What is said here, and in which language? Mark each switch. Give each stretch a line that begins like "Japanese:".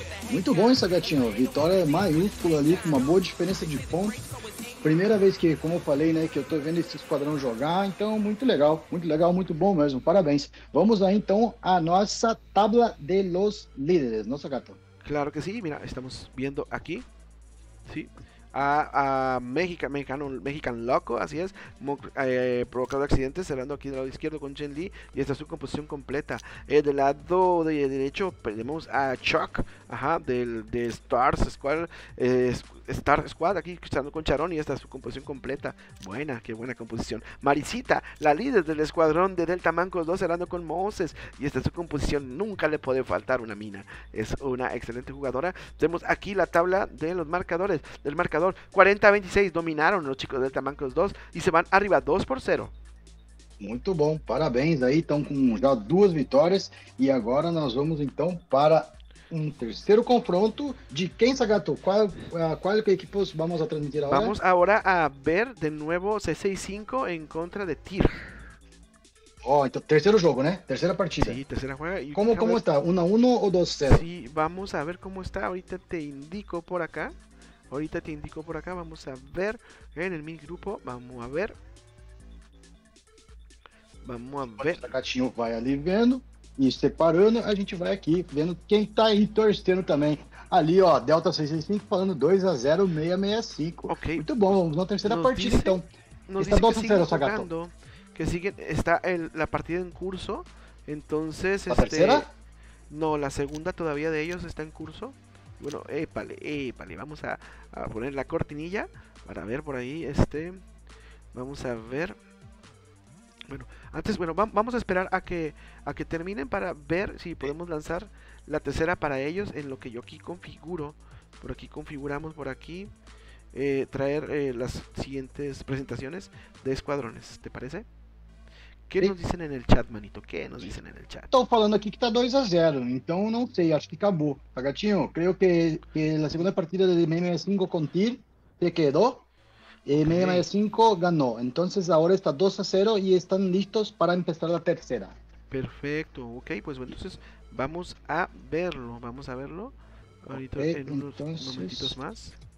Spanish: Muy bueno, Sagatinho. Victoria mayúscula ali, con una buena diferencia de puntos.
Portuguese: Primeira vez que, como eu falei, né, que eu tô vendo esse esquadrão jogar, então muito legal, muito bom mesmo, parabéns. Vamos aí então à nossa
Spanish: tabla de los líderes,
Portuguese: nossa gata.
Spanish: Claro que sim, mira, estamos vendo aqui, sim, a México, Mexican Loco, así es, provocado accidente, cerrando aquí del lado izquierdo con Chen Li, y esta es su composición completa. Del lado de derecho tenemos a Chuck, ajá, de Stars Squad, Star Squad, aquí cerrando con Charón, y esta es su composición completa. Buena, qué buena composición. Marisita, la líder del escuadrón de Delta Mancos 2, cerrando con Moses, y esta es su composición, nunca le puede faltar una mina, es una excelente jugadora. Tenemos aquí la tabla de los marcadores, del marcador 40-26,
Portuguese: dominaram os chicos Delta Mancos 2 e se vão arriba 2-0. Muito bom, parabéns aí, estão com já duas vitórias e agora nós vamos então para um terceiro confronto de quem, Sagato? Qual equipe vamos a transmitir agora? Vamos agora a ver de novo C65 em contra de TIR. Oh, então terceiro jogo, né? Terceira partida. Sim, terceira jogada. Como está? 1-1 ou 2-0?
Spanish: Sim, vamos a ver como está, ahorita te indico por acá. Ahorita te indico por acá, vamos a ver en el mini grupo, vamos a ver. Vamos a ver.
Portuguese: O gatinho vai ali vendo e separando, a gente vai aqui vendo quem tá aí torcendo também. Ali, ó, Delta 665 falando 2-0, 665. Okay. Muito bom, vamos na terceira partida
Spanish: dice,
Portuguese: então. Está 2-0, Sagato.
Spanish: Que sigue, está la partida en curso, entonces... ¿La tercera? No, la segunda todavía de ellos está en curso. Bueno, épale, vamos a poner la cortinilla para ver por ahí, vamos a ver, Bueno, antes, bueno, vamos a esperar a que terminen para ver si podemos lanzar la tercera para ellos, en lo que yo aquí configuro, por aquí configuramos, por aquí, traer las siguientes presentaciones de escuadrones, ¿te parece? ¿Qué nos dicen en el chat, manito? ¿Qué nos dicen en el chat?
Portuguese: Estou falando aqui que tá 2-0, então não sei, acho que acabou. Pagatinho, creio que a segunda partida de M65 com TIR se quedou. M65 ganhou. Então agora está 2-0 e estão listos para começar a terceira. Perfeito, ok. Pois bom, então
Spanish: vamos a verlo. Vamos a verlo. Ahorita, okay, en unos momentitos más.